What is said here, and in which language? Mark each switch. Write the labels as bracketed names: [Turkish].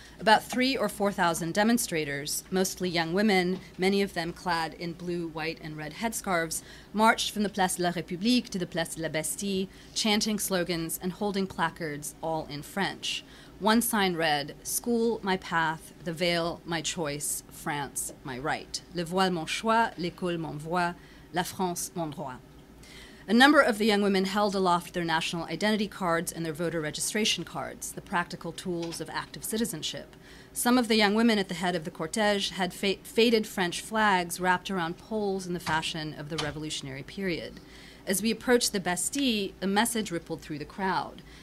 [English] About 3,000 or 4,000 demonstrators, mostly young women, many of them clad in blue, white, and red headscarves, marched from the Place de la République to the Place de la Bastille, chanting slogans and holding placards, all in French. One sign read, "School, my path, the veil, my choice, France, my right. [French] Le voile, mon choix, l'école, mon voix, la France, mon droit." [English] A number of the young women held aloft their national identity cards and their voter registration cards, the practical tools of active citizenship. Some of the young women at the head of the cortege had faded French flags wrapped around poles in the fashion of the revolutionary period. As we approached the Bastille, a message rippled through the crowd.